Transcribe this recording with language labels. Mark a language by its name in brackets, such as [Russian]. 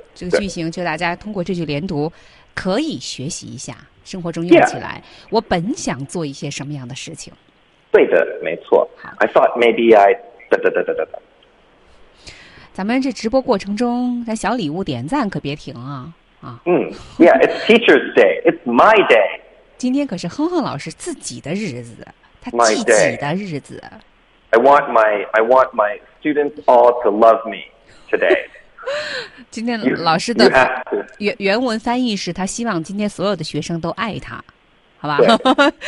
[Chinese] 这个句型就大家通过这句连读可以学习一下，生活中用起来。 Yeah. 我本想做一些什么样的事情？对的，没错。好 [English] ，I thought maybe I 哒哒哒哒哒哒。 [Chinese] 咱们这直播过程中，那小礼物点赞可别停啊！啊， [English] 嗯 ，Yeah， it's Teacher's Day， it's my day。 [Chinese] 今天可是哼哼老师自己的日子，他自己的日子。 [English] I want my students all to love me today 。 [Chinese] 今天老师的原文翻译是他希望今天所有的学生都爱他，好吧？